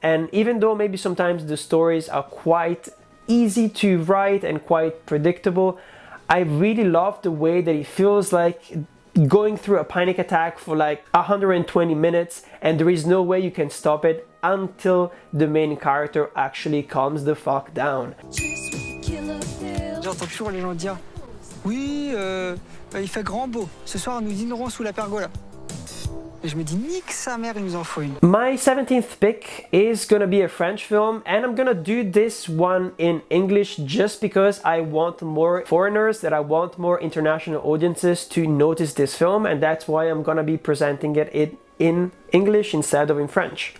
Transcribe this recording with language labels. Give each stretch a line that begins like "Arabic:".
English: And even though maybe sometimes the stories are quite easy to write and quite predictable, I really love the way that it feels like going through a panic attack for like 120 minutes and there is no way you can stop it until the main character actually calms the fuck down.
French: J'entends toujours les gens dire oui, il fait grand beau. Ce soir, nous dînerons sous la pergola. Et je me dis, nique sa mère, il nous en faut une.
English: My 17th pick is gonna be a French film, and I'm gonna do this one in English just because I want more foreigners, that I want more international audiences to notice this film, and that's why I'm gonna be presenting it in English instead of in French.